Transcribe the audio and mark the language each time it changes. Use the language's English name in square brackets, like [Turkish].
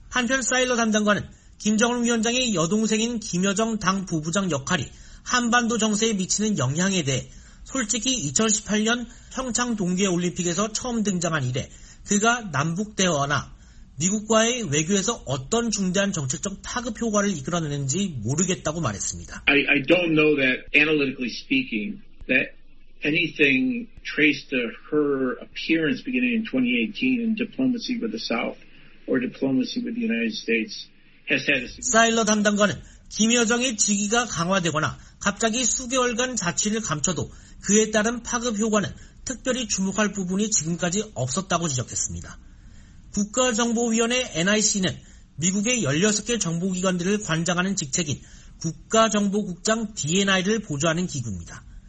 [Korean] 한편 사일러 담당관은 김정은 위원장의 여동생인 김여정 당 부부장 역할이 한반도 정세에 미치는 영향에 대해 솔직히 2018년 평창 동계올림픽에서 처음 등장한 이래 그가 남북대화나 미국과의 외교에서 어떤 중대한 정책적 파급 효과를 이끌어내는지 모르겠다고 말했습니다. [English] I don't know that analytically speaking that anything traced to her appearance beginning in 2018 in diplomacy with the South or diplomacy with the United States has had a significant. [Korean] 사일러 담당관은 김여정의 직위가 강화되거나 갑자기 수개월간 자취를 감춰도 그에 따른 파급 효과는 특별히 주목할 부분이 지금까지 없었다고 지적했습니다. 국가정보위원회 NIC는 미국의 16개 정보기관들을 관장하는 직책인 국가정보국장 DNI를 보조하는 기구입니다.